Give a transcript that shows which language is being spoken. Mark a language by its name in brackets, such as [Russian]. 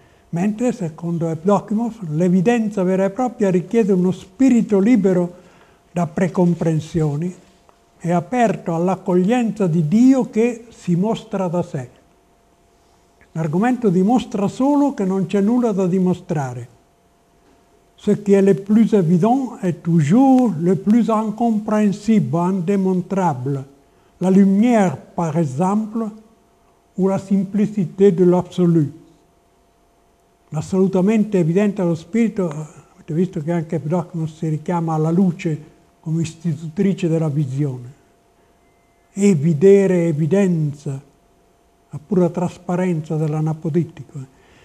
[Italian] Mentre, secondo Evdokimov, l'evidenza vera e propria richiede uno spirito libero da precomprensioni e aperto all'accoglienza di Dio che si mostra da sé. L'argomento dimostra solo che non c'è nulla da dimostrare. [French] Ce qui est le plus évident est toujours le plus incompréhensible, indémontrable. La lumière, par exemple, ou la simplicité de l'absolu. [Italian] L'assolutamente évidente allo spirito, avete visto che anche Evdokimov si richiama alla luce come istitutrice della visione. Evidere, evidenza, la pura trasparenza dell'anapodittico.